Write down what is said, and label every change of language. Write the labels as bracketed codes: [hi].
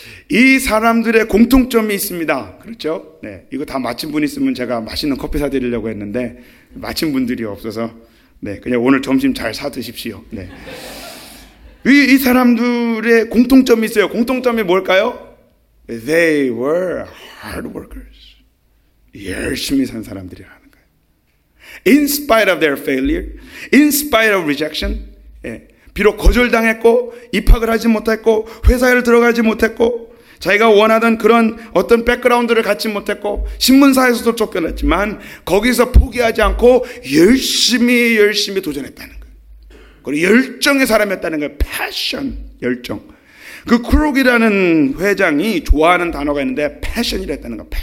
[ko] 이 사람들의 공통점이 있습니다. 그렇죠? 네, 이거 다 맞힌 분 있으면 제가 맛있는 커피 사드리려고 했는데 맞힌 분들이 없어서 네, 그냥 오늘 점심 잘 사 드십시오. 네. 이 사람들의 공통점이 있어요. 공통점이 뭘까요? [en] They were hard workers. [ko] 열심히 산 사람들이라는 거예요. [en] In spite of their failure, in spite of rejection, 네. [ko] 비록 거절당했고 입학을 하지 못했고 회사를 들어가지 못했고 자기가 원하던 그런 어떤 백그라운드를 갖지 못했고 신문사에서도 쫓겨났지만 거기서 포기하지 않고 열심히 열심히 도전했다는 거예요. 그리고 열정의 사람이었다는 거예요. 패션, 열정. 그 크록이라는 회장이 좋아하는 단어가 있는데 패션이라 했다는 거예요.